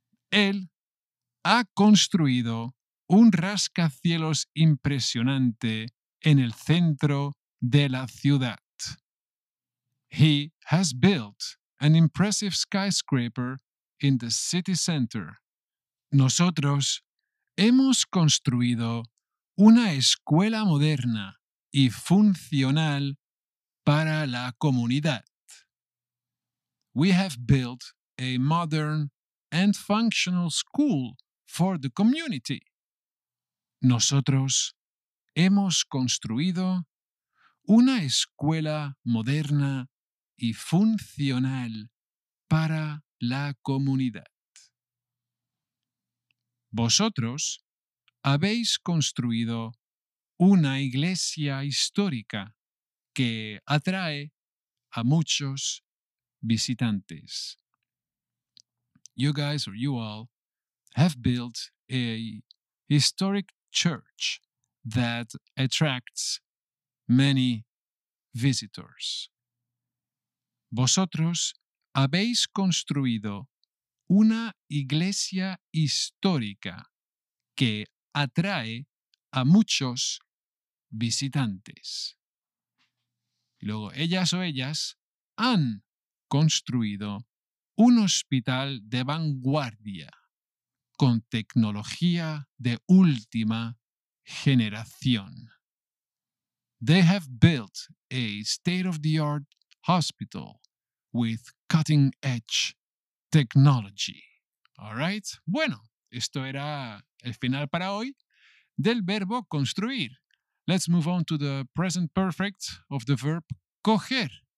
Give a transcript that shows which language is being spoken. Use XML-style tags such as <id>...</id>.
<es>Él ha construido un rascacielos impresionante en el centro de la ciudad.</es> <en>He has built an impressive skyscraper in the city center.</en> <es>Nosotros hemos construido una escuela moderna y funcional para la comunidad.</es> <en>We have built a modern and functional school for the community.</en> <es>Nosotros hemos construido una escuela moderna y funcional para la comunidad. Vosotros habéis construido una iglesia histórica que atrae a muchos visitantes.</es> <en>You all have built a historic church that attracts many visitors.</en> <es>Vosotros habéis construido una iglesia histórica que atrae a muchos visitantes. Y luego, ellas o ellas han construido un hospital de vanguardia con tecnología de última generación.</es> <en>They have built a state-of-the-art hospital with cutting-edge technology. All right?</en> <es>Bueno, esto era el final para hoy del verbo construir.</es> <en>Let's move on to the present perfect of the verb coger.</en>